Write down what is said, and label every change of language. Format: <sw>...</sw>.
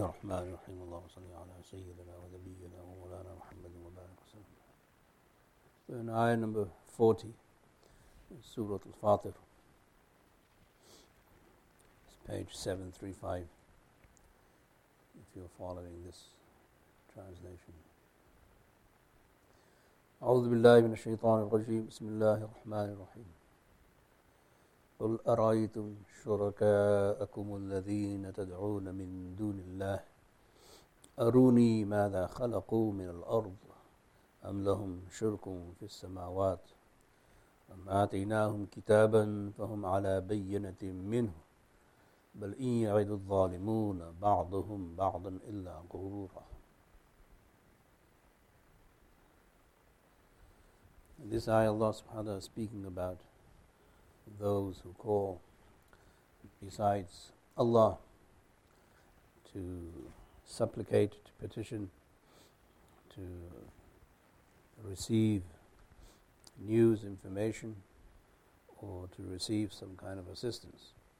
<ar>الرحمن الرحيم اللهم صل على سيدنا ونبينا ومولانا محمد وبارك وسلم.</ar> <en>In ayah number 40, Surah Fatir, it's page 735, if you're following this translation.</en> <ar>أعوذ بالله من الشيطان الرجيم بسم الله الرحمن الرحيم قل أرأيتم شركاءكم الذين تدعون من دون الله أروني ماذا خلقوا من الأرض أم لهم شرك في السماوات أم آتيناهم كتابا فهم على بينة منه بل إن يعد الظالمون بعضهم بعضا إلا غرورا.</ar> <en>In this ayah, Allah subhanahu wa ta'ala is speaking about those who call besides Allah to supplicate, to petition, to receive news, information, or to receive some kind of assistance.</en>